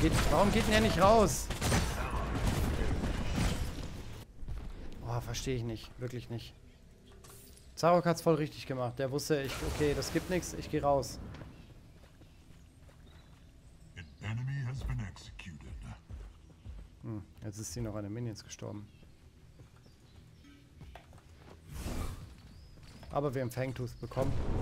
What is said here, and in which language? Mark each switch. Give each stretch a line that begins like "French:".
German: Warum geht denn der nicht raus? Oh, verstehe ich nicht. Wirklich nicht. Zarok hat's voll richtig gemacht. Der wusste, okay, das gibt nichts, ich geh raus.
English: An enemy has been executed.
German: Jetzt ist sie noch an den Minions gestorben. Aber wir haben Fangtooth bekommen.